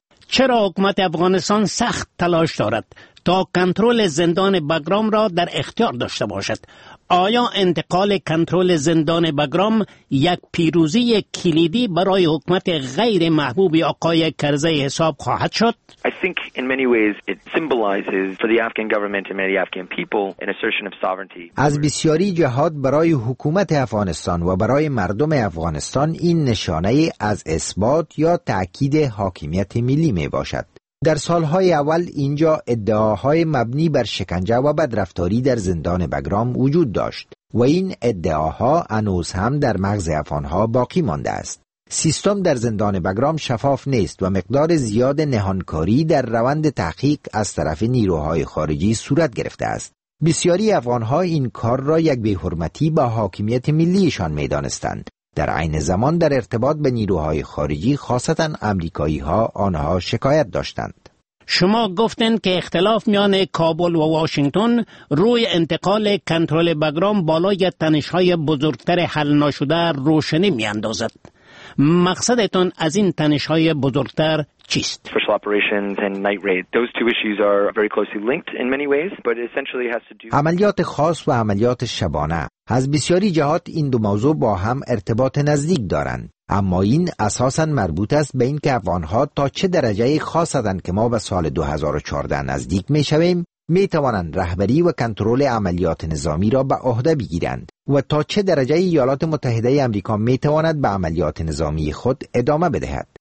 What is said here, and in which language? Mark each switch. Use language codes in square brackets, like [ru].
[fa] چرا حکومت افغانستان سخت تلاش دارد تا کنترل زندان بگرام را در اختیار داشته باشد؟ آیا انتقال کنترل زندان بگرام یک پیروزی کلیدی برای حکومت غیر محبوب آقای کرزی حساب خواهد شد؟ [en] I think in many ways it symbolizes for the Afghan government and many Afghan people an assertion of sovereignty. [fa] از بسیاری جهات برای حکومت افغانستان و برای مردم افغانستان این نشانه از اثبات یا تأکید حاکمیت ملی می باشد. در سالهای اول اینجا ادعاهای مبنی بر شکنجه و بدرفتاری در زندان بگرام وجود داشت و این ادعاها هنوز هم در مغز افغانها باقی مانده است. سیستم در زندان بگرام شفاف نیست و مقدار زیاد نهانکاری در روند تحقیق از طرف نیروهای خارجی صورت گرفته است. بسیاری افغانها این کار را یک بی‌حرمتی به حاکمیت ملیشان می دانستند. در عین زمان در ارتباط به نیروهای خارجی خاصتا آمریکایی‌ها آنها شکایت داشتند. شما گفتند که اختلاف میان کابل و واشنگتن روی انتقال کنترل بگرام بالای تنش‌های بزرگتر حل نشده روشنی می‌اندازد. مقصدتون از این تنش‌های بزرگتر چیست؟ [en] Special operations and night raid. Those two issues are very closely linked in many ways, but essentially has to do [fa] عملیات خاص و عملیات شبانه. از بسیاری جهات این دو موضوع با هم ارتباط نزدیک دارند، اما این اساساً مربوط است به اینکه افغان‌ها تا چه درجه خاص هستند که ما به سال 2014 نزدیک می‌شویم، می‌توانند رهبری و کنترل عملیات نظامی را به عهده بگیرند و تا چه درجه ایالات متحده آمریکا می‌تواند به عملیات نظامی خود ادامه بدهد.